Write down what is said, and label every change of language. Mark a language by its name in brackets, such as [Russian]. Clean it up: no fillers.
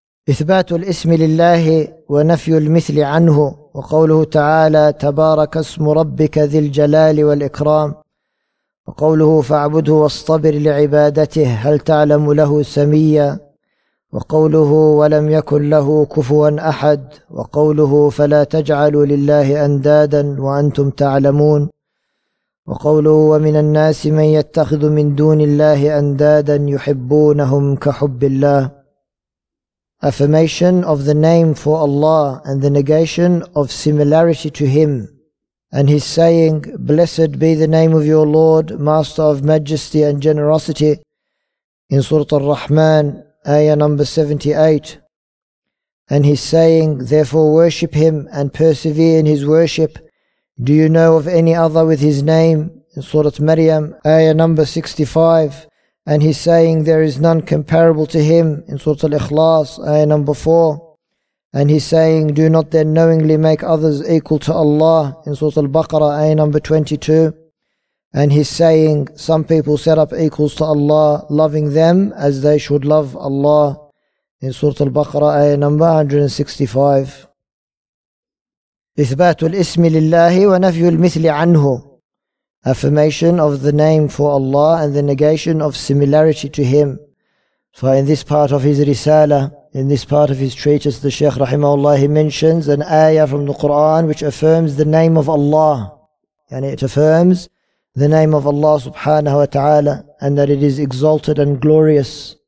[Arabic] إثبات الاسم لله ونفي المثل عنه, وقوله تعالى تبارك اسم ربك ذي الجلال والإكرام, وقوله فاعبده واصطبر لعبادته هل تعلم له سميا, وقوله ولم يكن له كفوا أحد, وقوله فلا تجعلوا لله أندادا وأنتم تعلمون, وقوله ومن الناس من يتخذ من دون الله أندادا يحبونهم كحب الله. [English] Affirmation of the name for Allah and the negation of similarity to Him. And His saying, Blessed be the name of your Lord, Master of Majesty and Generosity. In Surah Al-Rahman, Ayah number 78. And His saying, Therefore worship Him and persevere in His worship. Do you know of any other with His name? In Surah Maryam, Ayah number 65. And He's saying, There is none comparable to Him, in Surah Al-Ikhlas, Ayah number 4. And He's saying, Do not then knowingly make others equal to Allah, in Surah Al-Baqarah, Ayah number 22. And He's saying, Some people set up equals to Allah, loving them as they should love Allah, in Surah Al-Baqarah, Ayah number 165. [Arabic] إثبات الاسم لله ونفي المثل عنه. [English] Affirmation of the name for Allah and the negation of similarity to Him. For in this part of his Risalah, in this part of his treatise, the Shaykh Rahimahullah, he mentions an ayah from the Quran which affirms the name of Allah. And it affirms the name of Allah subhanahu wa ta'ala, and that it is exalted and glorious.